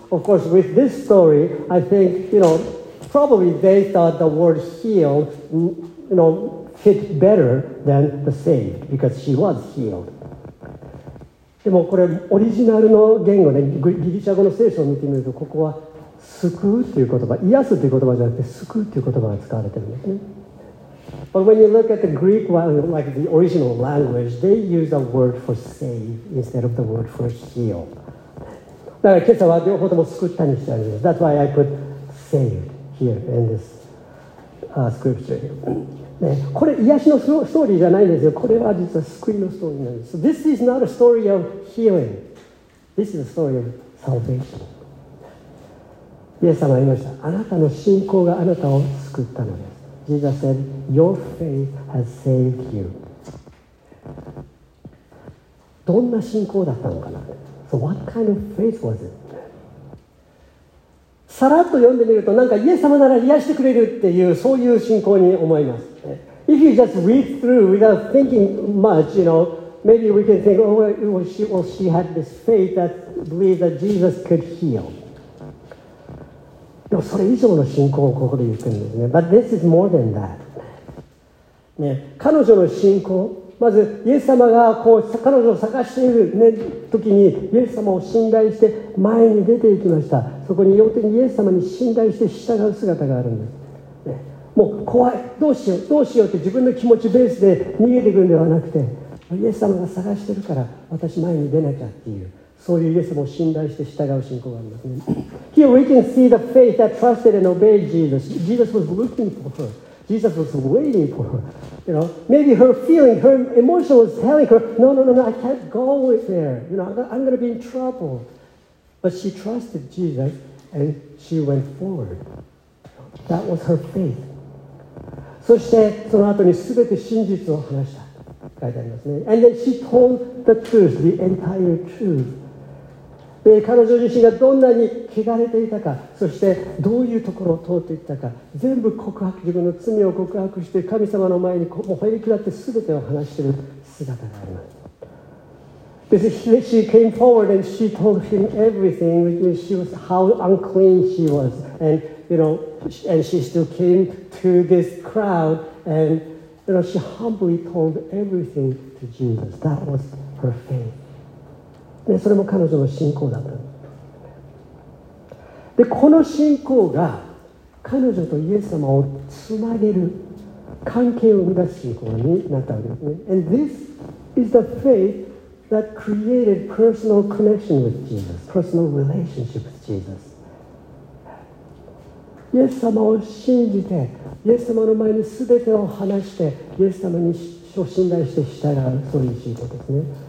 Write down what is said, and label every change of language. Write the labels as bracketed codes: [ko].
[en] Of course, with this story, I think, you know, probably they thought the word healed, you know, fit better than the saved, because she was healed. [ja] でもこれオリジナルの言語ね、ギリシャ語の聖書を見てみると、ここは救うという言葉、癒すという言葉じゃなくて救うという言葉が使われてるんですね。 [en] But when you look at the Greek one, like the original language, they use a word for save instead of the word for heal. [ja] だから今朝は両方とも救ったにしてあります。 [en] That's why I put save here in this scripture here. [ja] ね、これ癒しのストーリーじゃないんですよ。これは実は救いのストーリーなんです。 [en] So this is not a story of healing. This is a story of salvation. [ja] イエス様は言いました。あなたの信仰があなたを救ったのです。 [en] Jesus said, "Your faith has saved you." [ja] どんな信仰だったのかな。 [en] So what kind of faith was it? [ja] さらっと読んでみると、なんかイエス様なら癒してくれるっていうそういう信仰に思います。 [en] If you just read through without thinking much, you know, maybe we can think, "Oh, she had this faith that believed that Jesus could heal." [ja] でもそれ以上の信仰をここで言ってるんですね。 [en] But this is more than that. [ja] ね、彼女の信仰、まずイエス様がこう彼女を探している、ね、時にイエス様を信頼して前に出ていきました。そこに両手にイエス様に信頼して従う姿があるんです。ね、もう怖い、どうしよう、どうしようって自分の気持ちベースで逃げていくんではなくて、イエス様が探してるから私前に出なきゃっていう。そういうイエス様を信頼して従う信仰がありますね。 [en] Here we can see the faith that trusted and obeyed Jesus. Jesus was looking for her. Jesus was waiting for her. You know, maybe her feeling, her emotion was telling her, "No, no, no, no, I can't go with there. You know, I'm going to be in trouble." But she trusted Jesus and she went forward. That was her faith. [ja] そしてその後にすべて真実を話した。書いてありますね。 [en] And then she told the truth, the entire truth. [ja] で彼女自身がどんなに汚れていたか、そしてどういうところを通っていったか、全部告白、自分の罪を告白して神様の前にこう吠え下って全てを話している姿があります。 [en] She came forward and she told him everything. She was how unclean she was, and you know, and she still came to this crowd, and you know, she humbly told everything to Jesus. That was her faith [ja] ね、それも彼女の信仰だった。でこの信仰が彼女とイエス様をつなげる関係を生み出す信仰になったわけですね。 [en] And this is the faith that created personal connection with Jesus, personal relationship with Jesus. [ja] イエス様を信じてイエス様の前に全てを話してイエス様に信頼して従う、そういう信仰ですね。